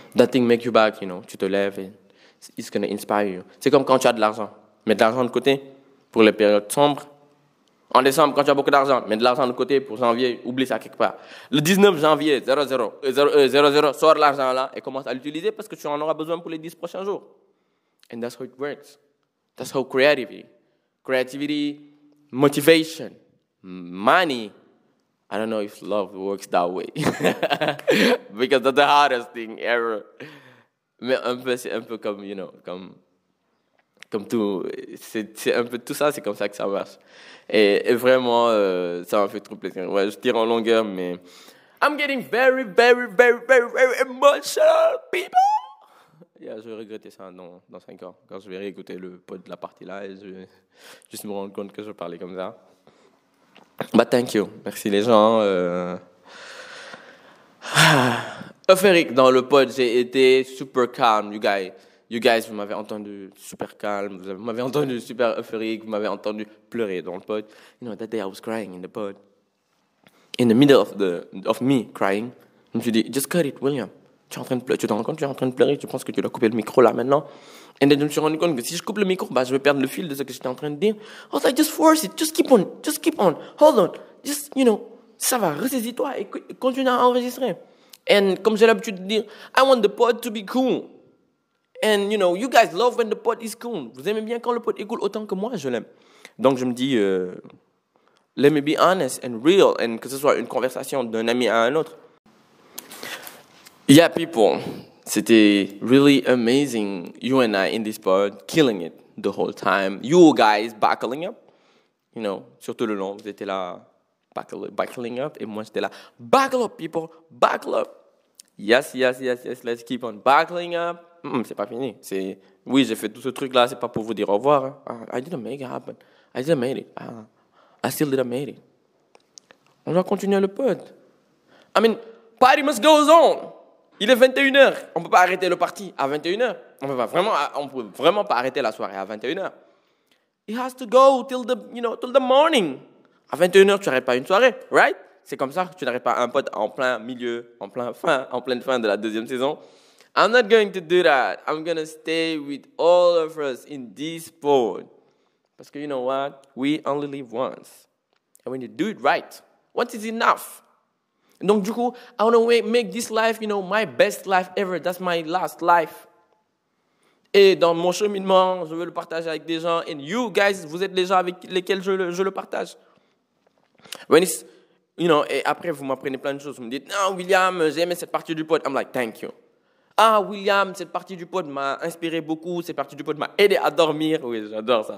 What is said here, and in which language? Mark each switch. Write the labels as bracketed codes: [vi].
[en] That thing makes your back, you know. [fr] Tu te lèves [en] and it's going to inspire you. [fr] C'est comme quand tu as de l'argent. Mets de l'argent de côté pour les périodes sombres. En décembre, quand tu as beaucoup d'argent, mets de l'argent de côté pour janvier. Oublie ça quelque part. Le 19 janvier, 00, sors l'argent là et commence à l'utiliser parce que tu en auras besoin pour les 10 prochains jours. [en] And that's how it works. That's how creativity, motivation, money, I don't know if love works that way. Because that's the hardest thing ever. [fr] Mais un peu comme, [en] you know, [fr] comme tout. C'est un peu tout ça, c'est comme ça que ça marche. Et vraiment, ça m'a fait trop plaisir. Ouais, je tire en longueur, mais [en] I'm getting very, very, very, very, very emotional, people. [fr] Yeah, je vais regretter ça dans 5 ans, quand je vais réécouter le pod de la partie là et je vais juste me rendre compte que je parlais comme ça. [en] But thank you. [fr] Merci les gens. Euphorique dans le pod, j'ai été super calme, [en] you guys, [fr] vous m'avez entendu super calme, vous m'avez entendu super euphorique, vous m'avez entendu pleurer dans le pod. [en] You know, that day I was crying in the pod. In the middle of me crying, [fr] je me suis dit, [en] just cut it, William. [fr] Tu es en train de pleurer, tu te rends compte, tu es en train de pleurer, tu penses que tu dois couper le micro là maintenant. Et [en] then [fr] je me suis rendu compte que si je coupe le micro, bah, je vais perdre le fil de ce que j'étais en train de dire. [en] I was like, just force it, just keep on, hold on, just, you know, [fr] ça va, ressaisis-toi et continue à enregistrer. [en] And [fr] comme j'ai l'habitude de dire, [en] I want the pod to be cool. And you know, you guys love when the pod is cool. [fr] Vous aimez bien quand le pod est cool autant que moi, je l'aime. Donc je me dis, [en] let me be honest and real, [fr] and que ce soit une conversation d'un ami à un autre. [en] Yeah, people, [fr] C'était [en] really amazing. You and I in this part, killing it the whole time. You guys buckling up. You know, [fr] surtout le long, vous étiez là, [en] buckling up. [fr] Et moi, j'étais là, [en] buckle up, people, buckle up. Yes, yes, yes, yes, let's keep on buckling up. Mm-mm, [fr] c'est pas fini. C'est, oui, j'ai fait tout ce truc-là, c'est pas pour vous dire au revoir. [en] Hein. I didn't make it happen. I didn't make it. I still didn't make it. [fr] On va continuer le pod. [en] I mean, party must go on. [fr] Il est 21h. On peut pas arrêter le party à 21h. On peut vraiment pas arrêter la soirée à 21h. [en] It has to go till the, you know, till the morning. [fr] À 21h, tu n'arrêtes pas une soirée, [en] right? [fr] C'est comme ça que tu n'arrêtes pas un pote en plein milieu, en plein fin, en pleine fin de la deuxième saison. [en] I'm not going to do that. I'm going to stay with all of us in this pod. [fr] Parce que [en] you know what? We only live once. And when you do it right, once is enough. [fr] Donc du coup, [en] I want to make this life, you know, my best life ever. That's my last life. [fr] Et dans mon cheminement, je veux le partager avec des gens. [en] And you guys, [fr] vous êtes les gens avec lesquels je le partage. [en] When it's, you know, [fr] et après, vous m'apprenez plein de choses. Vous me dites, non, William, j'ai aimé cette partie du pod. [en] I'm like, thank you. [fr] Ah, William, cette partie du pod m'a inspiré beaucoup. Cette partie du pod m'a aidé à dormir. Oui, j'adore ça.